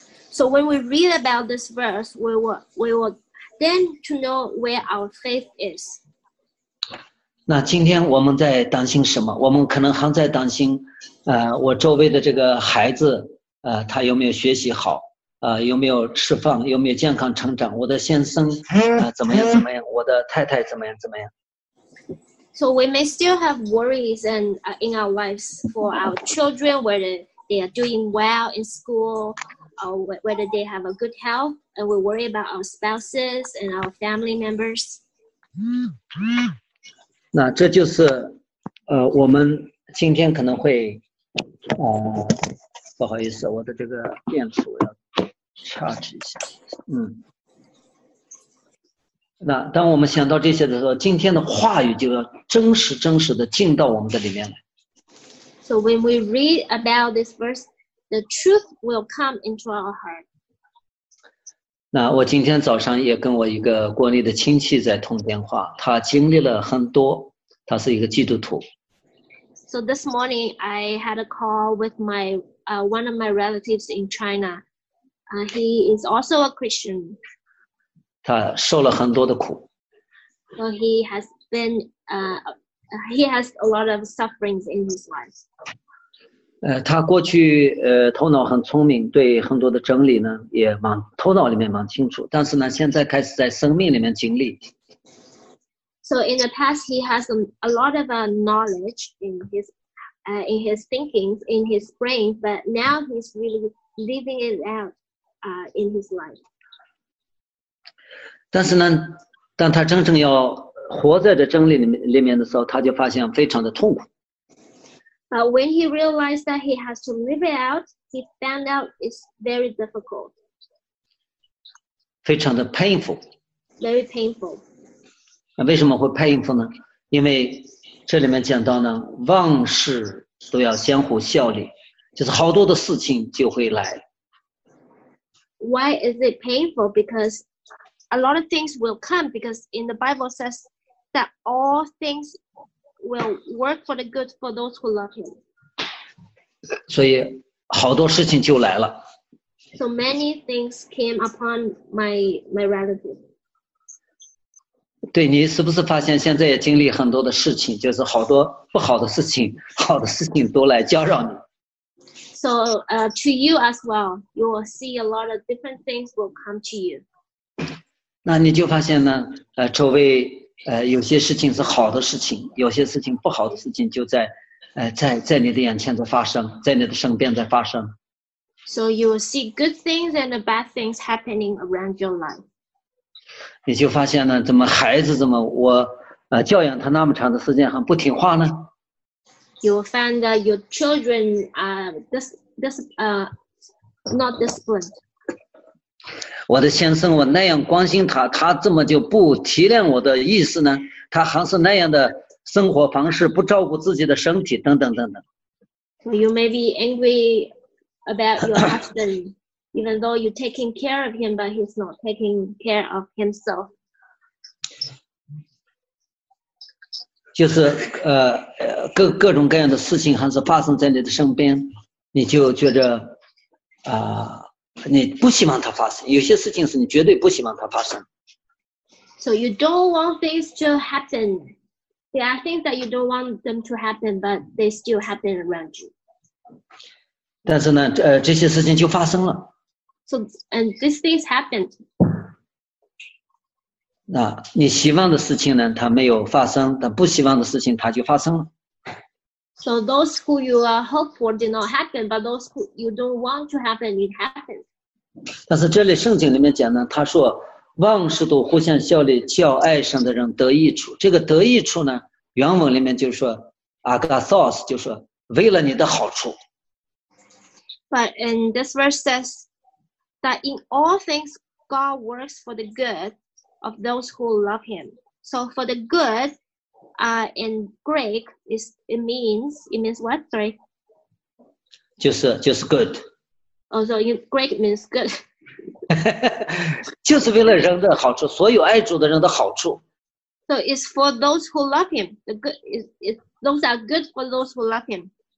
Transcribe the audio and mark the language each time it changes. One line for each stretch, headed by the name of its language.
English: So when we read about this verse, we will then to know where our faith is.
Chinese: 那今天我们在担心什么？我们可能还在担心，我周围的这个孩子，他有没有学习好，有没有吃饭，有没有健康成长？我的先生，怎么样怎么样？我的太太怎么样怎么样？
English: So we may still have worries and in our lives for our children, whether they are doing well in school, or whether they have a good health, and we worry about our spouses and our family members.
Chinese: 那这就是我们今天可能会不好意思，我的这个电池我要 charge 一下。那当我们想到这些的时候，今天的话语就要真实真实的进到我们的里面来。
English: So when we read about this verse, the truth will come into our heart.
Chinese: 那我今天早上也跟我一个国内的亲戚在通电话，他经历了很多，他是一个基督徒。
English: So this morning I had a call with my one of my relatives in China. He is also a Christian.
Chinese: 他受了很多的苦。
English: So he has been, he has a lot of sufferings in his life.
Chinese: 他过去头脑很聪明，对很多的真理呢也蛮头脑里面蛮清楚，但是呢现在开始在生命里面经历。
English: So in the past he has a lot of knowledge in his thinking, in his brain, but now he's really living it out in his life.
Chinese: 但是呢，当他真正要活在这真理里面的时候，他就发现非常的痛苦。
English: When he realized that he has to live it out, he found out it's very difficult.
Chinese: 非常的 painful.
English: Very painful.
Chinese: 为什么会 painful 呢？因为这里面讲到呢，万事都要相互效力，就是好多的事情就会来。
English: Why is it painful? Because a lot of things will come because in the Bible says that all things will work for the good for those who love him.
Chinese: 所以好多事情就来了。
English: So many things came upon my relative.
Chinese: 对，你是不是发现现在也经历很多的事情，就是好多不好的事情，好的事情都来搅扰你。
English: So to you as well, you will see a lot of different things will come to you.
Chinese: 那你就发现呢，周围有些事情是好的事情，有些事情不好的事情就在你的眼前在发生，在你的身边在发生。
English: So you will see good things and the bad things happening around your life.
Chinese: 你就发现呢，怎么孩子怎么我教养他那么长的时间还不听话呢？
English: You will find that your children are not disciplined.
Chinese: 我的先生，我那样关心他，他怎么就不体谅我的意思呢？他还是那样的生活方式，不照顾自己的身体，等等等等。
English: So you may be angry about your husband, even though you're taking care of him, but he's not taking care of himself.
Chinese: 就是各种各样的事情还是发生在你的身边，你就觉得你不希望它发生，有些事情是你绝对不希望它发生。
English: So you don't want things to happen. There are things that you don't want them to happen, but they still happen around you.
Chinese: 但是呢，这些事情就发生了。
English: So and these things happened.
Chinese: 那你希望的事情呢，它没有发生，但不希望的事情它就发生了。
English: So those who you are hope for did not happen, but those who you don't want to happen, it happened.
Chinese: 但是这里圣经里面讲呢，他说万事都互相效力，叫爱上的人得益处。这个得益处呢，原文里面就说 agathos， 就说为了你的好处。
English: But in this verse says that in all things God works for the good of those who love Him. So for the good, in Greek is it means what? Sorry.
Chinese: 就是 good.
English: Also in Greek means good.
Chinese: 就是为了人的好处，所有爱主的人的好处。
English: So it's for those who love Him. The good is those are good for those who love Him.